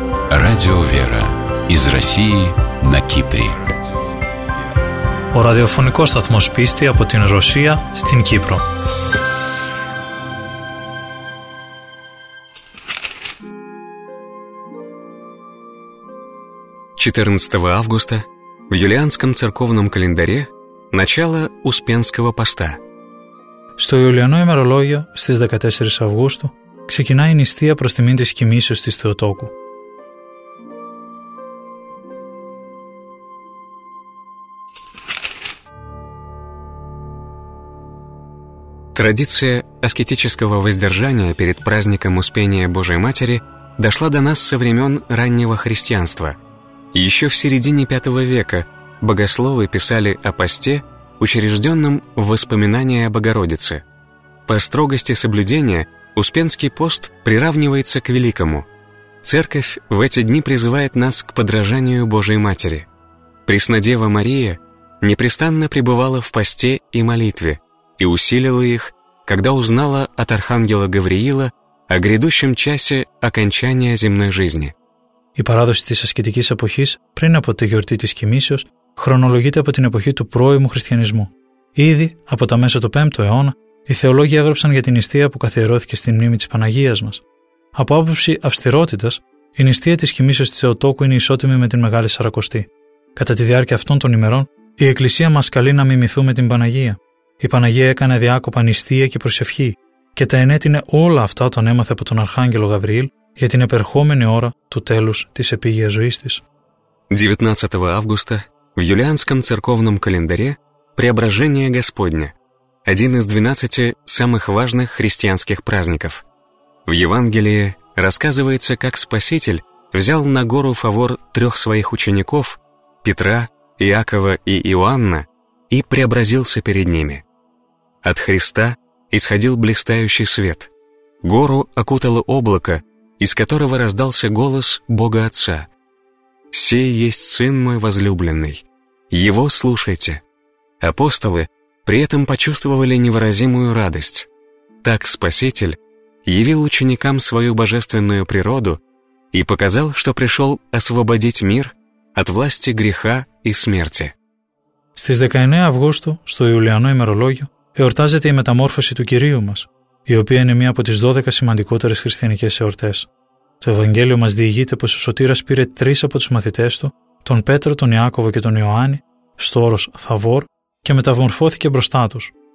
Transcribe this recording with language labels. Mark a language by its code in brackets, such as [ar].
[ru] Радио «Вера» из России на Кипре. [el] Ο ραδιοφωνικός σταθμός πίστη από την Ρωσία στην Κύπρο. [ru] августа в юлианском церковном календаре начало Успенского поста. [el] Στο Ιουλιανό ημερολόγιο, στις 14 Αυγούστου, ξεκινά η νηστεία προς τιμήν της κοιμήσεως της Θεοτόκου. [ru] Традиция аскетического воздержания перед праздником Успения Божией Матери дошла до нас со времен раннего христианства. Еще в середине V века богословы писали о посте, учрежденном в воспоминание о Богородице. По строгости соблюдения Успенский пост приравнивается к Великому. Церковь в эти дни призывает нас к подражанию Божией Матери. Преснодева Мария непрестанно пребывала в посте и молитве и усилила их, когда узнала от архангела Гавриила о грядущем часе окончания земной жизни. [el] Η παράδοση της ασκητικής εποχής πριν από τη γιορτή της κοιμήσεως χρονολογείται από την εποχή του πρώιμου χριστιανισμού. Ήδη από τα μέσα του 5ου αιώνα οι θεολόγοι έγραψαν για την νηστεία που καθιερώθηκε στη μνήμη της Παναγίας μας. Από άποψη αυστηρότητας, η νηστεία της κοιμήσεως της Θεοτόκου είναι ισότιμη με την Μεγάλη Σαρακοστή. Κατά τη διάρκεια αυτών των ημερών, η Εκκλησία μας καλεί να μιμηθούμε την Παναγία. Η Παναγία έκανε διάκοπα νηστεία και προσευχή και τα ενέτεινε όλα αυτά όταν έμαθε από τον Αρχάγγελο Γαβριήλ για την επερχόμενη ώρα του τέλους της επίγειας ζωής της. [ru] 19 августа в юлианском церковном календаре Преображение Господне, один из 12 самых важных христианских праздников. В Евангелии рассказывается, как Спаситель взял на гору Фавор трех своих учеников, Петра, Иакова и Иоанна, и преобразился перед ними. От Христа исходил блистающий свет. Гору окутало облако, из которого раздался голос Бога Отца. «Сей есть Сын мой возлюбленный. Его слушайте». Апостолы при этом почувствовали невыразимую радость. Так Спаситель явил ученикам свою божественную природу и показал, что пришел освободить мир от власти греха и смерти. [el] Στις 19 Αυγούστου, στο Ιουλιανό ημερολόγιο, εορτάζεται η μεταμόρφωση του Κυρίου μας, η οποία είναι μία από τις 12 σημαντικότερες χριστιανικές εορτές. Το Ευαγγέλιο μας διηγείται πως ο Σωτήρας πήρε τρεις από τους μαθητές του, τον Πέτρο, τον Ιάκωβο και τον Ιωάννη, στο όρος Θαβόρ, και μεταμορφώθηκε μπροστά τους.